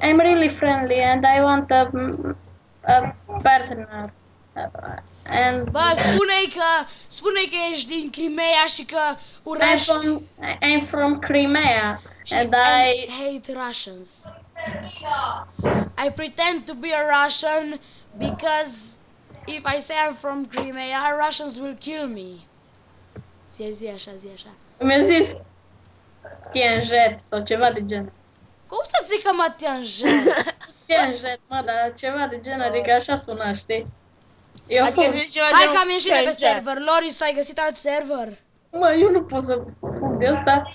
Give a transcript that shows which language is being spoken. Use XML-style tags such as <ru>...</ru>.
<en>I'm really friendly and I want a partner. And</en> <ro>ba, spune-i că ești din Crimea și că urăști.</ro> <en>I'm from Crimea and I hate Russians. I pretend to be a Russian because if I say I'm from Crimea, Russians will kill me.</en> <ro>Zi așa. Mi-a zis Tienjet sau ceva de genul. Cum să zic că mă tianjet? Tianjet, mă, dar ceva de gen, adică așa suna, știi? Eu adică zici eu... Hai că am ieșit de pe server. Loris, tu ai găsit alt server? Mă, eu nu pot să fug de ăsta.</ro>